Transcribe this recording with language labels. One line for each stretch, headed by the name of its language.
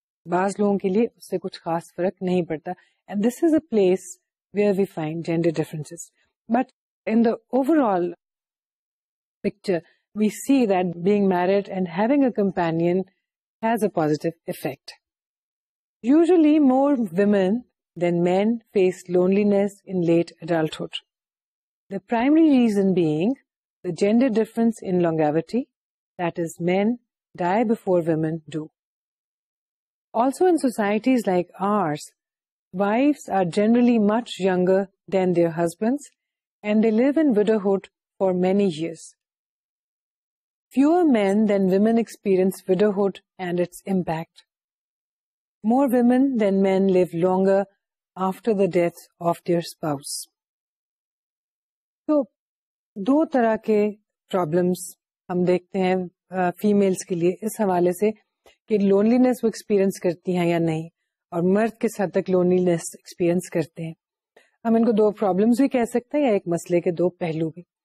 Urdu: بعض لوگوں کے لیے اس سے کچھ خاص فرق نہیں پڑتا.
English: And this is a place where we find gender differences. But in the overall picture we see that being married and having a companion has a positive effect. Usually more women than men face loneliness in late adulthood. The primary reason being the gender difference in longevity, that is men die before women do. Also in societies like ours, wives are generally much younger than their husbands and they live in widowhood for many years. Fewer men than women experience widowhood and its impact. More women than men live longer after the death of their spouse.
Urdu: So, do tarah ke problems hum dekhte hain families کے لیے اس حوالے سے کہ loneliness وہ experience کرتی ہیں یا نہیں, اور مرد کس حد تک لونلینس ایکسپیرئنس کرتے ہیں. ہم ان کو دو پرابلمس بھی کہہ سکتے ہیں یا ایک مسئلے کے دو پہلو بھی.